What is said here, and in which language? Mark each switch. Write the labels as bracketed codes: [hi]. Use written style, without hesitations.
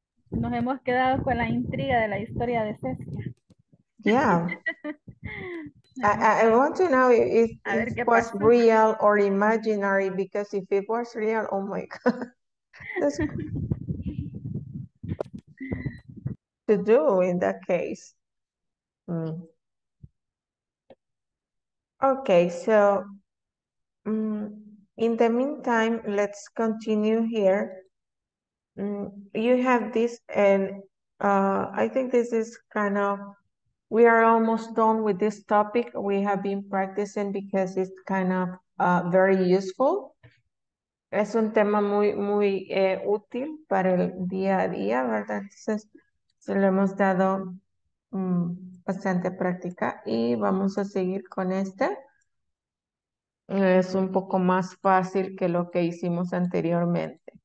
[es] Nos hemos quedado con la intriga de la historia de Cecilia. [en] Yeah. I want to know if it was real or imaginary, because if it was real, oh my God. That's to do in that case. Okay, so in the meantime, let's continue here. You have this, and I think this is kind of, we are almost done with this topic. We have been practicing because it's kind of very useful. [es] Es un tema muy, muy útil para el día a día, ¿verdad? Entonces, se lo hemos dado bastante práctica y vamos a seguir con este. Es un poco más fácil que lo que hicimos anteriormente.